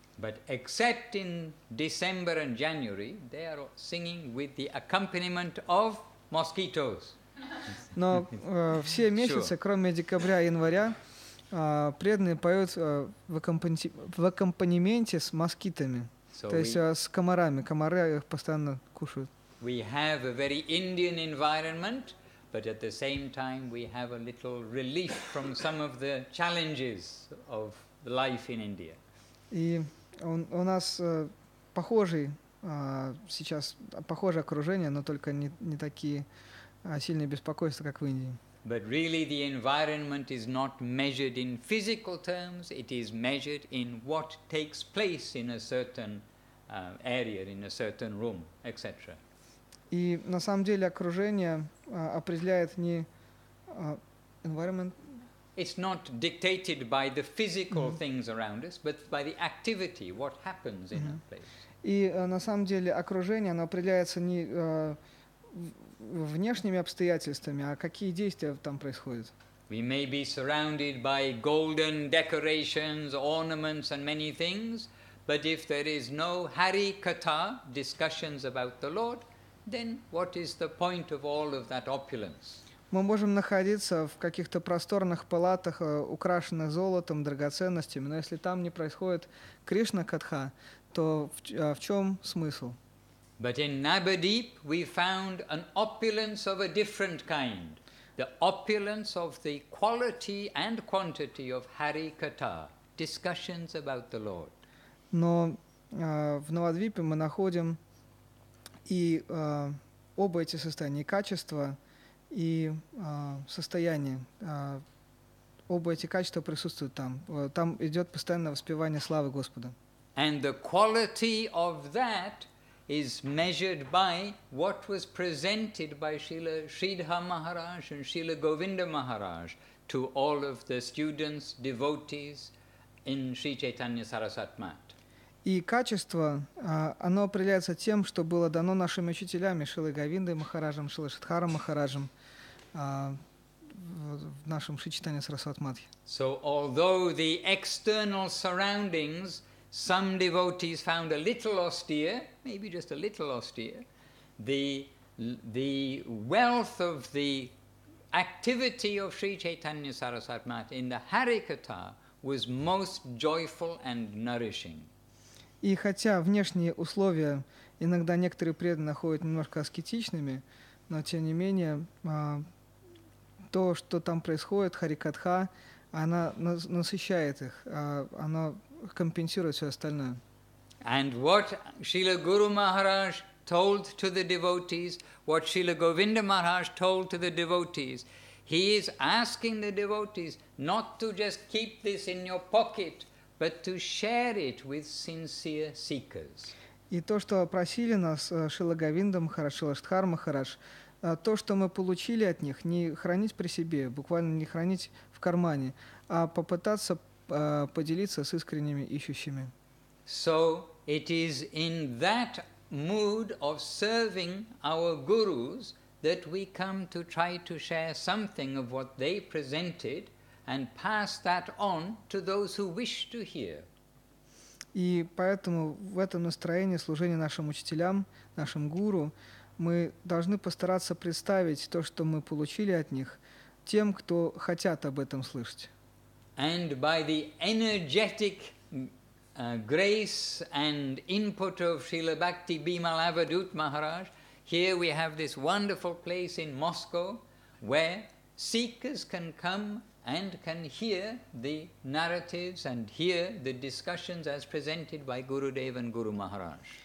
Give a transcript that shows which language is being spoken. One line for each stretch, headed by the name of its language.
English: But except in December and January, they are singing with the accompaniment of mosquitoes.
Russian: Но все месяцы,
English: sure.
Russian: кроме декабря и января, преданные поют в аккомпанементе с москитами, so то есть с комарами. Комары их постоянно кушают.
English: We have a very Indian environment, but at the same time we have a little relief from some of the challenges of life in India.
Russian: И у нас похожее окружение, но только не такие сильные беспокойства, как в Индии.
English: But really the environment is not measured in physical terms, it is measured in what takes place in a certain area, in a certain room, etc.
Russian: И на самом деле окружение определяет не environment.
English: It's not dictated by the physical mm-hmm. things around us, but by the activity, what happens mm-hmm. in a place.
Russian: И на самом деле окружение, оно определяется не внешними обстоятельствами, а какие действия там происходят.
English: We may be surrounded by golden decorations, ornaments and many things, but if there is no Hari Katha, discussions about the Lord, then what is the point of all of that opulence?
Russian: Мы можем находиться в каких-то просторных палатах, украшенных золотом, драгоценностями, но если там не происходит Кришна Катха, то в чем смысл?
English: But in Navadvip we found an opulence of a different kind, the opulence of the quality and quantity of Hari Katha, discussions about the Lord.
Russian: Но в Навадвипе мы находим и оба эти состояния, и качество, и состояние. Оба эти качества присутствуют там. Там идет постоянное воспевание славы Господа.
English: And the quality of that is measured by what was presented by Srila Sridha Maharaj and Srila Govinda Maharaj to all of the students, devotees in Sri Chaitanya Sarasat Mat.
Russian: И качество, оно определяется тем, что было дано нашими учителями, Шрилой Говиндой Махараджем, Шрилой Шридхарой Махараджем, в нашем Шри Чайтанья Сарасват Матхе.
English: So although the external surroundings some devotees found a little austere, maybe just a little austere, the wealth of the activity of Sri Chaitanya Sarasat Mat in the Hari Katha was most joyful and nourishing.
Russian: И хотя внешние условия иногда некоторые преданные находят немножко аскетичными, но тем не менее то, что там происходит, Хари Катха, она насыщает их, она компенсирует все остальное.
English: And what Srila Guru Maharaj told to the devotees, what Srila Govinda Maharaj told to the devotees, he is asking the devotees not to just keep this in your pocket, but to share it with sincere seekers.
Russian: И то, что просили нас Шрила Говинда Махарадж, Шрила Шридхара Махарадж, то, что мы получили от них, не хранить при себе, буквально не хранить в кармане, а попытаться поделиться с искренними ищущими.
English: So it is in that mood of serving our gurus that we come to try to share something of what they presented and pass that on to those who wish to hear.
Russian: И поэтому в этом настроении служения нашим учителям, нашим гуру, мы должны постараться представить то, что мы получили от них, тем, кто хотят об этом слышать.
English: And by the energetic grace and input of Srila Bhakti Bimala Avadhut Maharaj, here we have this wonderful place in Moscow where seekers can come and can hear the narratives and hear the discussions as presented by Gurudev and Guru Maharaj.